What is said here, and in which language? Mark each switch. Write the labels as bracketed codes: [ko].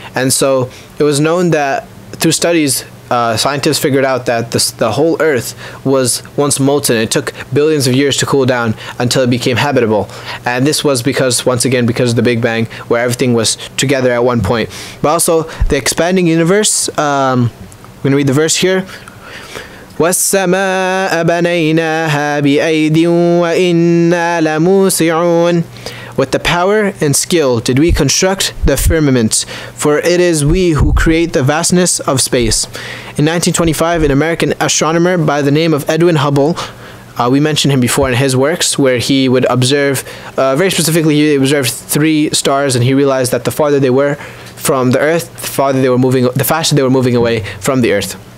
[en] And so it was known that through studies, scientists figured out that the whole Earth was once molten. It took billions of years to cool down until it became habitable. And this was because, once again, because of the Big Bang, where everything was together at one point. But also, the expanding universe, I'm gonna read the verse here. [ar] والسماء بنيناها بأيد وإنا لموسعون. [en] With the power and skill did we construct the firmament, for it is we who create the vastness of space. In 1925, an American astronomer by the name of Edwin Hubble, we mentioned him before in his works, where he would observe, very specifically, he observed three stars, and he realized that the farther they were from the Earth, the faster they were moving away from the Earth.